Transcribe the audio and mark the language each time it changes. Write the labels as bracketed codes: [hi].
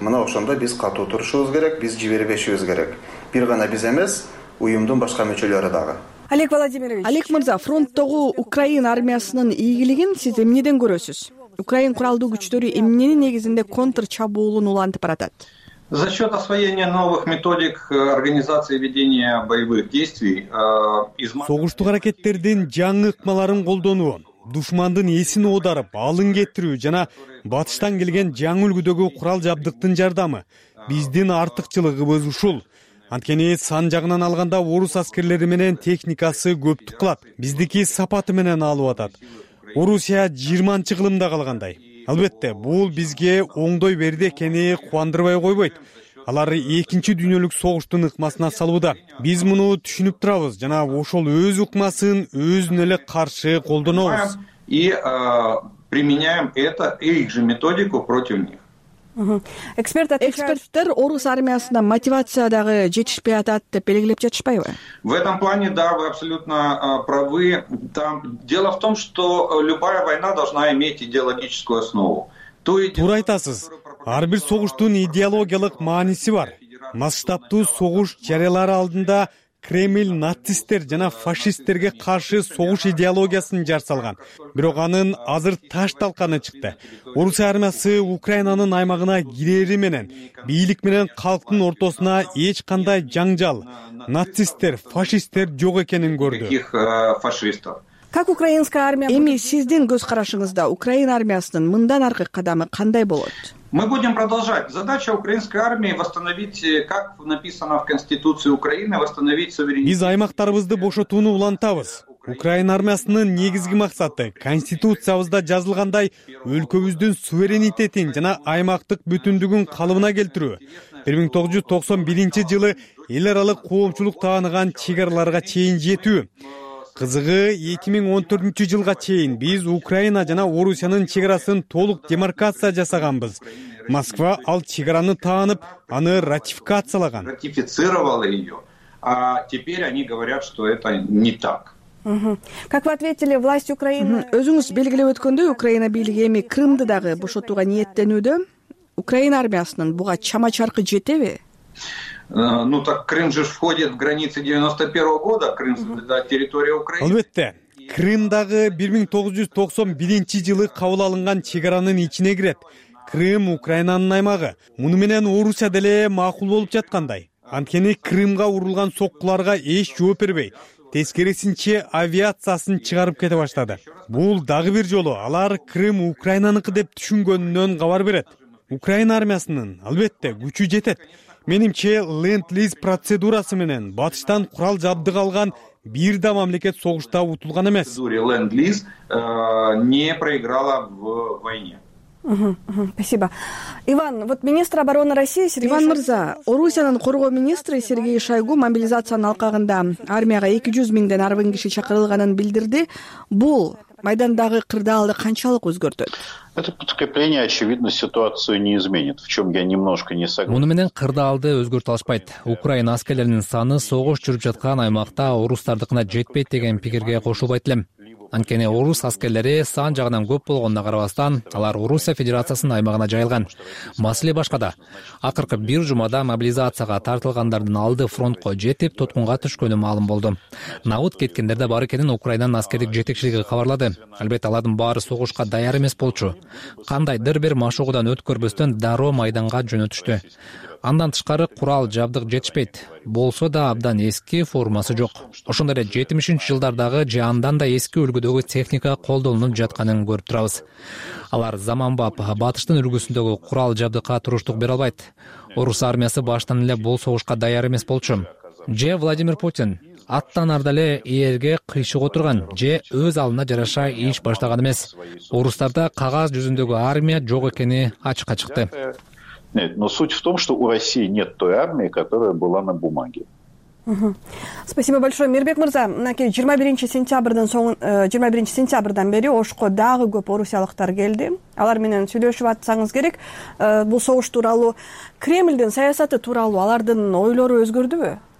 [ky] Мына ошондо биз катуу турушубуз керек, биз жибербешибиз керек. Бир гана биз эмес, уюмдун башка мүчөлөрү дагы. Олег Владимирович. Олег Мырза, фронттогу Украина армиясынын ийгилигин сиз эмнеден көрөсүз? Украин куралдуу күчтөрү эмненин негизинде контр чабуулун улантып баратат? [ru] За счет освоения новых методик организации ведения боевых действий. [ky] Согуштук аракеттердин жаңы ыкмаларын колдонуу, душмандын эсин оодарып алын кетирүү жана батыштан келген жаңы үлгүдөгү курал жабдыктын жардамы биздин артыкчылыгыбыз ушул. Анткени сан жагынан алганда орус аскерлери менен техникасы көптүк кылат, биздики сапаты менен алып атат. Орусия 20-нчы кылымда калгандай. Албетте, бул бизге оңдой берди экени кубандырбай койбойт. Алар экинчи дүйнөлүк согуштун ыкмасына салууда. Биз муну түшүнүп турабыз жана ошол өз ыкмасын өзүнө эле каршы колдонобуз. [ru] И применяем это их же методику против них. [ky] Эксперттер орус армиясына мотивация дагы жетишпей атат деп белгилеп жатышпайбы? [ru] В этом плане да, вы абсолютно правы. Там дело в том, что любая война должна иметь идеологическую основу. [ky] Туура айтасыз. Ар бир согуштун идеологиялык мааниси бар. Масштабтуу согуш жарыялары алдында Кремль нацисттер жана фашисттерге каршы согуш идеологиясын жарсалган. Бирок анын азыр таш талканы чыкты. Орус армиясы Украинанын аймагына кирери менен бийлик менен калктын ортосуна эч кандай жаңжал, нацисттер, фашисттер жок экенин көрдү. [ru] Как украинская армия? [ky] Эми сиздин көз карашыңызда Украина армиясынын мындан аркы кадамы кандай болот? [ru] Мы будем продолжать. Задача украинской армии восстановить, как написано в Конституции Украины, восстановить суверенитет. [ky] Биз аймактарыбызды бошотууну улантабыз. Украина армиясынын негизги максаты конституциябызда жазылгандай өлкөбүздүн суверенитетин жана аймактык бүтүндүгүн калыбына келтирүү. 1991 жылы эл аралык коомчулук тааныган чек араларга чейин жетүү. Кызыгы 2014 жылга чейин биз Украина жана Орусиянын чек арасын толук демаркация жасаганбыз. Москва ал чек араны таанып, аны ратификациялаган. [ru] Ратифицировала её. А теперь они говорят, что это не так. Как вы ответили власть Украины? [ky] Өзүңүз белгилеп өткөндөй, Украина бийлиги эми Крымды дагы бошотууга ниеттенүүдө. Украина армиясынын буга чама чаркы жетеби? [ru] Ну так Крым же входит в границы 91 года, Крым да, территория Украины. [ky] Албетте. Крымдагы 1991 жылы кабыл алынган чек аранын ичине кирет. Крым Украинанын аймагы. Муну менен Орусия деле макул болуп жаткандай. Анткени Крымга урулган соккуларга эч жооп бербей, тескерисинче авиациясын чыгарып кете баштады. Бул дагы бир жолу алар Крым Украинаныкы деп түшүнгөнүнөн кабар берет. Украина армиясынын албетте күчү жетет. Менимче ленд-лиз процедурасы менен батыштан курал жабдык алган бир да мамлекет согушта утулган эмес. [ru] Ленд-лиз не проиграла в войне. Спасибо. Иван, вот министр обороны России Сергей [ky] Иван Мырза, Орусиянын коргоо министри Сергей Шойгу мобилизациянын алкагында армияга 200 миңден арбын киши чакырылганын билдирди. Бул майдандагы кырдаалды канчалык өзгөртөт? [ru] Это подкрепление, очевидно, ситуацию не изменит, в чем я немножко не согласен. [ky] Муну менен кырдаалды өзгөртө алышпайт. Украина аскерлеринин саны согуш жүрүп жаткан аймакта орустардыкына жетпейт деген пикирге кошулбайт элем. Анткени орус аскерлери сан жагынан көп болгонуна карабастан, алар Орусия Федерациясынын аймагына жайылган. Маселе башкада. Акыркы бир жумада мобилизацияга тартылгандардын алды фронтко жетип, туткунга түшкөнү маалым болду. Наут кеткендер да бар экенин Украинанын аскердик жетекчилиги кабарлады. Албетте, алардын баары согушка даяр эмес болчу. Кандайдыр бир машыгуудан өткөрбөстөн дароо майданга жөнөтүштү. Андан тышкары курал жабдык жетишпейт. Болсо да абдан эски формасы жок. Ошондой эле 70-ші жылдардагы же андан да эски үлгүдөгү техника колдонулуп жатканын көрүп турабыз. Алар заманбап батыштын үлгүсүндөгү курал жабдыкка туруштук бере албайт. Орус армиясы баштан эле бул согушка даяр эмес болчу. Же Владимир Путин аттанарда эле ээрге кыйшык отурган же өз алдына жараша иш баштаган эмес. Орустарда кагаз жүзүндөгү армия жок экени ачыкка чыкты. [ru] Нет, но суть в том, что у России нет той армии, которая была на бумаге. Спасибо большое. [ky] Мирбек Мырза, 21 сентябрдан бери Ошко дагы көп орусиялыктар келди. Алар менен сүйлөшүп атсаңыз керек. Бул согуш тууралуу, Кремлдин саясаты тууралуу алардын ойлору өзгөрдүбү?